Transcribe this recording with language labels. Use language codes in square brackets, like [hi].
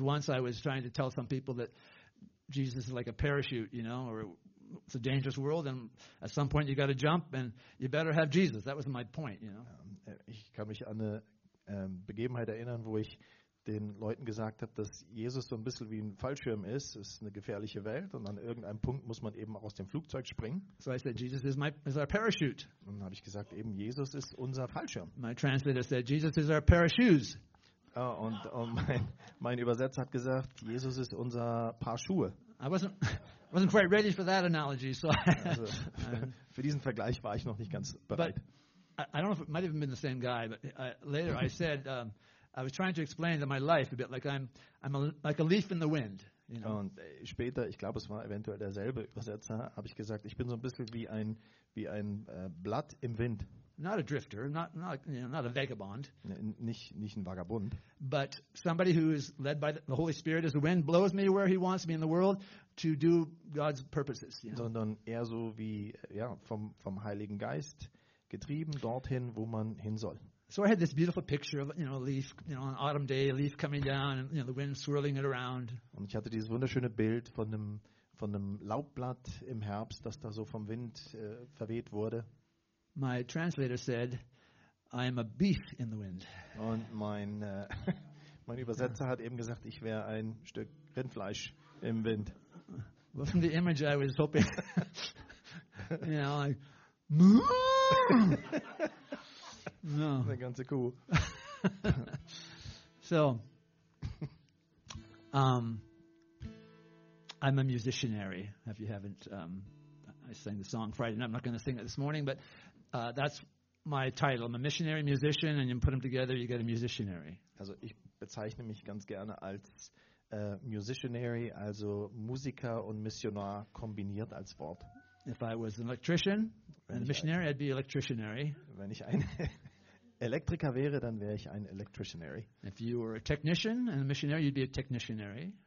[en] Once I was trying to tell some people that Jesus is like a parachute, you know, or it's a dangerous world, and at some point you got to jump, and you better have Jesus. That was my point, you know. [de] Ich kann mich an eine Begebenheit erinnern, wo ich den Leuten gesagt habe, dass Jesus so ein bisschen wie ein Fallschirm ist. Es ist eine gefährliche Welt und an irgendeinem Punkt muss man eben aus dem Flugzeug springen. [en] So I said, Jesus is our parachute. [de] Und dann habe ich gesagt, eben Jesus ist unser Fallschirm. [en] My translator said, Jesus is our parachutes. [de] Oh, und mein Übersetzer hat gesagt, Jesus ist unser Paar Schuhe. [en] I wasn't quite ready for that analogy. So [de] also, für diesen Vergleich war ich noch nicht ganz bereit. [en] I don't know if it might have been the same guy, but later I said, I was trying to explain that my life a bit like I'm like a leaf in the wind. You know? [de] Und später, ich glaube, es war eventuell derselbe Übersetzer, habe ich gesagt, ich bin so ein bisschen wie ein Blatt im Wind. [en] Not a drifter, not a vagabond. [de] Nicht ein Vagabund. [en] But somebody who is led by the Holy Spirit as the wind blows me where he wants me in the world to do God's purposes. You know? [de] Sondern eher so wie vom Heiligen Geist getrieben dorthin, wo man hin soll. [en] So I had this beautiful picture of, you know, a leaf, you know, an autumn day, a leaf coming down and, you know, the wind swirling it around. [de] Und ich hatte dieses wunderschöne Bild von einem Laubblatt im Herbst, das da so vom Wind verweht wurde. [en] My translator said, I am a beef in the wind. [de] Und mein Übersetzer hat eben gesagt, ich wäre ein Stück Rindfleisch im Wind. [en] Wasn't the image I was hoping. You know, like, no. [de] Eine ganze Kuh. [en] So, I'm a musicianary. If you haven't, I sang the song Friday, and I'm not going to sing it this morning, but that's my title. I'm a missionary musician, and you put them together, you get a musicianary. [de] Also, ich bezeichne mich ganz gerne als musicianary, also Musiker und Missionar kombiniert als Wort. [en] If I was an electrician and a missionary, I'd be electricianary. [de] Wenn ich ein Elektriker wäre, dann wäre ich ein electricianary. [en] If you were a technician and a missionary, you'd be a technicianary.